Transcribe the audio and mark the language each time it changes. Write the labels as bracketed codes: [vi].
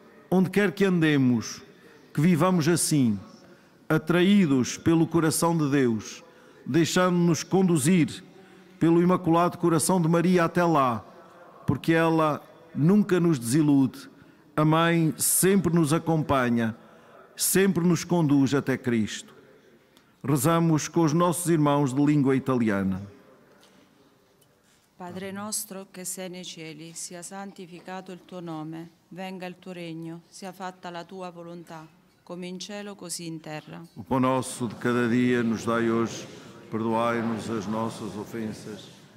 [pt] onde quer que andemos, que vivamos assim, atraídos pelo coração de Deus, deixando-nos conduzir pelo Imaculado Coração de Maria até lá, porque ela nunca nos desilude. A Mãe sempre nos acompanha, sempre nos conduz até Cristo. Rezamos com os nossos irmãos de língua italiana. [it] Padre nostro, che sei nei cieli, sia santificato il tuo nome, venga il tuo regno, sia fatta la tua volontà, come in cielo, così in terra. [pt] O pão nosso de cada dia nos dai hoje, perdoai-nos as nossas ofensas,